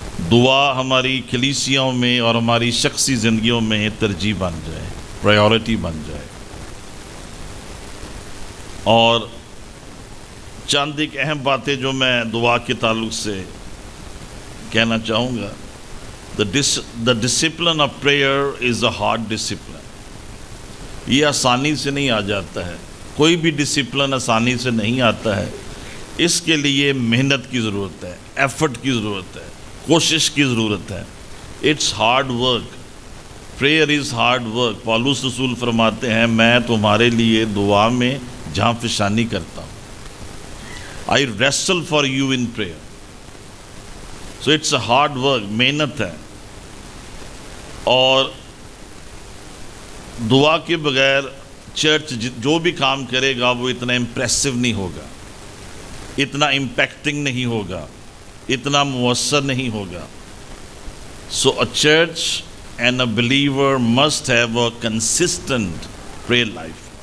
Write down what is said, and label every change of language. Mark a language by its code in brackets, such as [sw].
[hi] दुआ हमारी कलीसियाओं में और हमारी शख्सी ज़िंदगियों में तरजीह बन जाए, प्रायोरिटी बन जाए। और चंद एक अहम बातें जो मैं दुआ के ताल्लुक से कहना चाहूँगा, [en] The discipline of prayer is a hard discipline. [hi] ये आसानी से नहीं आ जाता है. कोई भी discipline आसानी से नहीं आता है. इसके लिए मेहनत की ज़रूरत है, effort की ज़रूरत है, कोशिश की ज़रूरत है. [en] It's hard work. Prayer is hard work. [hi] पौलुस रसूल फरमाते हैं, मैं तुम्हारे लिए दुआ में जांफिशानी करता हूँ. [en] I wrestle for you in prayer. So it's a hard work, [hi] मेहनत है. और दुआ के बगैर चर्च जो भी काम करेगा वो इतना इम्प्रेसिव नहीं होगा, इतना इम्पैक्टिंग नहीं होगा, इतना मुअस्सर नहीं होगा. [en] So a church and a believer must have a consistent prayer life.